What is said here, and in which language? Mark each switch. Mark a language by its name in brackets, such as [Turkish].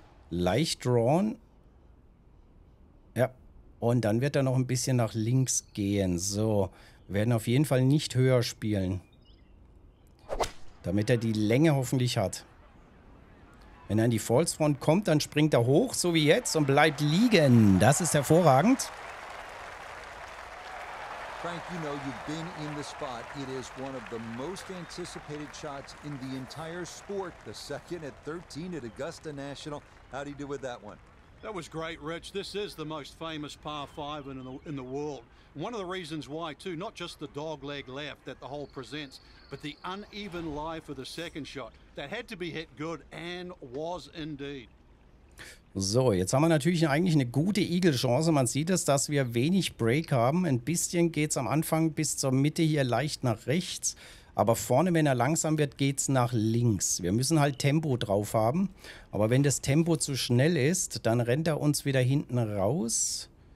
[German] Leicht drawn. Ja, und dann wird er noch ein bisschen nach links gehen. So, wir werden auf jeden Fall nicht höher spielen. Damit er die Länge hoffentlich hat. Wenn er in die False Front kommt, dann springt er hoch, so wie jetzt, und bleibt liegen. Das ist hervorragend. [English] Frank, you know, you've been in the spot. It is one of the most anticipated shots in the entire sport. The second at 13 at Augusta National. How do you do with that one? That was great, Rich. This is the most famous par 5 in the world. One of the reasons why, too, not just the dog leg left that the hole presents, but the uneven lie for the second shot. That had to be hit good and was indeed. [German] So, jetzt haben wir natürlich eigentlich eine gute Eagle-Chance. Man sieht es, dass wir wenig Break haben. Ein bisschen geht es am Anfang bis zur Mitte hier leicht nach rechts. Aber vorne, wenn er langsam wird, geht es nach links. Wir müssen halt Tempo drauf haben. Aber wenn das Tempo zu schnell ist, dann rennt er uns wieder hinten raus.